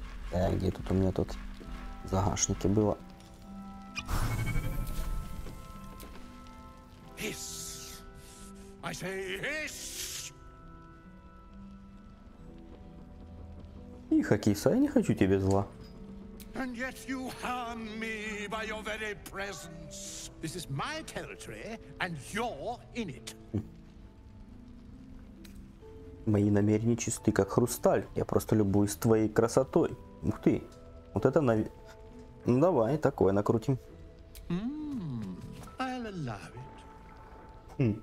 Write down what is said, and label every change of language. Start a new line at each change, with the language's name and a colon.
Russian: Так, где тут у меня тут загашники было?
English: Hiss. I say hiss.
Russian: Тихо, киса, я не хочу тебе зла.
English: And yet you harm me by your very presence. This is my territory, and you're in it.
Russian: Мои намерения чисты, как хрусталь. Я просто любуюсь твоей красотой. Ух ты. Вот это ну давай, такое накрутим.
English: I'll allow it.